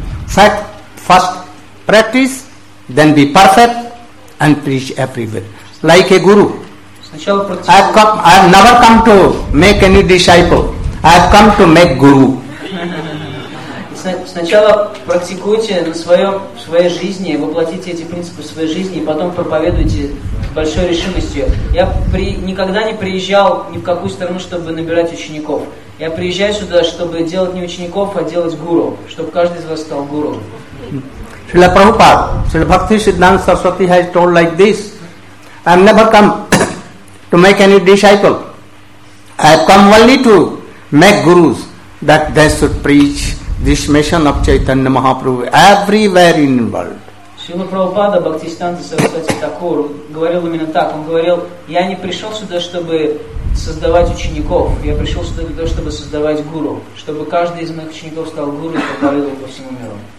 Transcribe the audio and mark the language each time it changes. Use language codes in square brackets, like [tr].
[en] Fact, first practice, then be perfect and preach everywhere. Like a guru. I have never come to make any disciple. I have come to make guru. [ru] Сначала практикуйте на своей жизни, воплотите эти принципы в своей жизни, и потом проповедуйте с большой решимостью. Я никогда не приезжал ни в какую страну, чтобы набирать учеников. Я приезжаю сюда, чтобы делать не учеников, а делать гуру, чтобы каждый из вас стал гуру. [en] Шрила Прабхупада, Шрила Бхакти Сиддханта Сарасвати has told like this. I have never come to make any disciple. I have come only to make gurus, that they should preach this mission of Chaitanya Mahaprabhu everywhere in the world. [ru] Шрила Прабхупада Бхактисиддханта Сарасвати Такур говорил именно так. Он говорил, я не пришел сюда, чтобы создавать учеников. Я пришел сюда для того, чтобы создавать гуру. Чтобы каждый из моих учеников стал гуру и проповедовал по всему миру.